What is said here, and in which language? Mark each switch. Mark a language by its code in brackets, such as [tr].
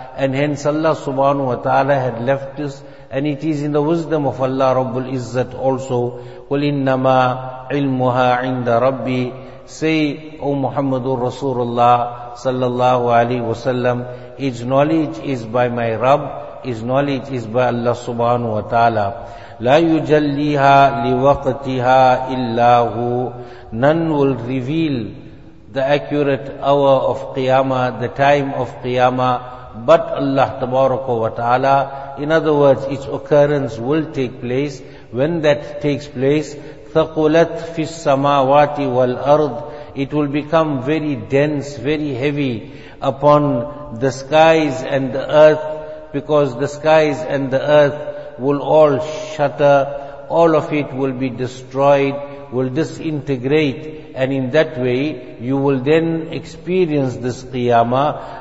[en] And hence Allah subhanahu wa ta'ala had left this, and it is in the wisdom of Allah Rabbul Izzat also. [ar] قُلْ إِنَّمَا عِلْمُهَا عِنْدَ رَبِّي. [en] Say, O Muhammadur Rasulullah sallallahu alayhi wa sallam, its knowledge is by my Rabb, its knowledge is by Allah subhanahu wa ta'ala. [ar] لا يجليها لوقتها إلا هو. [en] None will reveal the accurate hour of Qiyamah, the time of Qiyamah, but Allah Tabaraka wa Ta'ala. In other words, its occurrence will take place. When that takes place, [ar] ثَقُلَتْ فِي السَّمَاوَاتِ وَالْأَرْضِ, [en] it will become very dense, very heavy upon the skies and the earth, because the skies and the earth will all shatter, all of it will be destroyed, will disintegrate, and in that way you will then experience this Qiyamah.